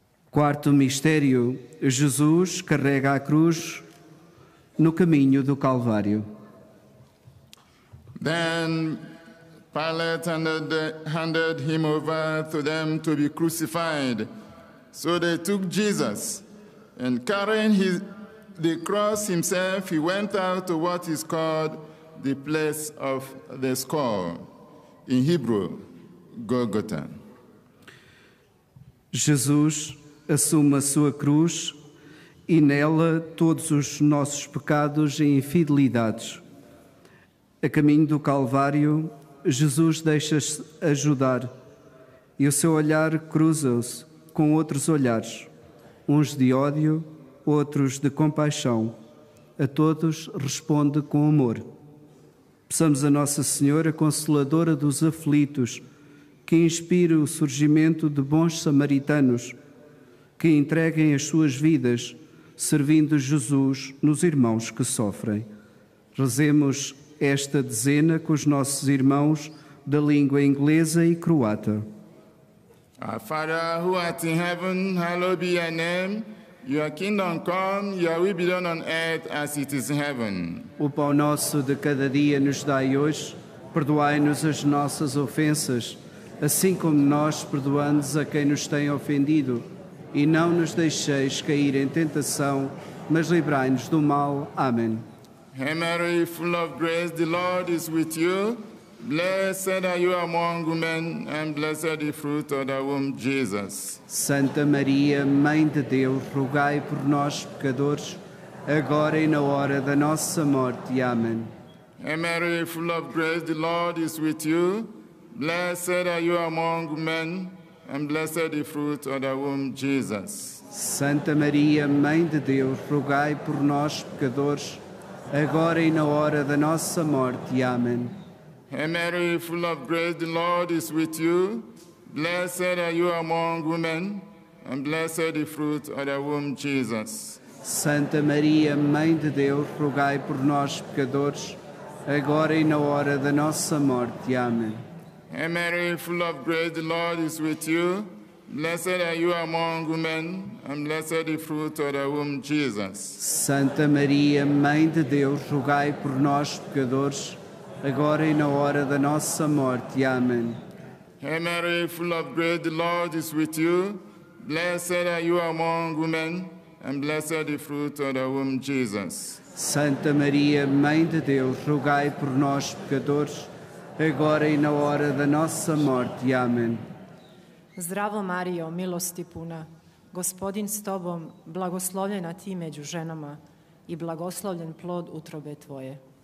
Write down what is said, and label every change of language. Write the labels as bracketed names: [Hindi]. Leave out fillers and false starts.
[Portuguese] Quarto mistério: Jesus carrega a cruz no caminho do Calvário. [English] Then Pilate handed him over to them to be crucified. So they took Jesus, and carrying the cross himself, he went out to what is called the place of the skull, in Hebrew, Golgotha. [Portuguese] Jesus assume a sua cruz, e nela todos os nossos pecados e infidelidades. A caminho do Calvário, Jesus deixa-se ajudar e o seu olhar cruza-se com outros olhares, uns de ódio, outros de compaixão. A todos responde com amor. Peçamos a Nossa Senhora, Consoladora dos aflitos, que inspire o surgimento de bons samaritanos que entreguem as suas vidas servindo Jesus nos irmãos que sofrem. Rezemos esta dezena com os nossos irmãos da língua inglesa e croata. [English] Our Father, who art in heaven, hallowed be your name. Your kingdom come, your will be done on earth as it is in heaven. [Portuguese] O pão nosso de cada dia nos dai hoje. Perdoai-nos as nossas ofensas, assim como nós perdoamos a quem nos tem ofendido. E não nos deixeis cair em tentação, mas livrai-nos do mal. Amém. [English] Hail Mary, full of grace, the Lord is with you. Blessed are you among women, and blessed is the fruit of thy womb, Jesus. [Portuguese] Santa Maria, Mãe de Deus, rogai por nós, pecadores, agora e na hora da nossa morte. Amém. [English] Hail Mary, full of grace, the Lord is with you. Blessed are you among women, and blessed is the fruit of thy womb, Jesus. [Portuguese] Santa Maria, Mãe de Deus, rogai por nós, pecadores, agora e na hora da nossa morte. Amém. [English] Hail Mary, full of grace, the Lord is with you. Blessed are you among women, and blessed is the fruit of thy womb, Jesus. [Portuguese] Santa Maria, Mãe de Deus, rogai por nós, pecadores, agora e na hora da nossa morte. Amém. [English] Hail Mary, full of grace, the Lord is with you. Blessed are you among women, and blessed is the fruit of thy womb, Jesus. [Portuguese] Santa Maria, Mãe de Deus, rogai por nós, pecadores, agora e na hora da nossa morte. Amém. [English] Hail Mary, full of grace, the Lord is with you. Blessed are you among women, and blessed is the fruit of thy womb, Jesus. [Portuguese] Santa Maria, Mãe de Deus, rogai por nós, pecadores, agora e na hora da nossa morte. Amém. [Croatian] Zdravo Mario, milosti puna, Gospodin s tobom, blagoslovljena ti među ženama i blagoslovljen plod utrobe tvoje.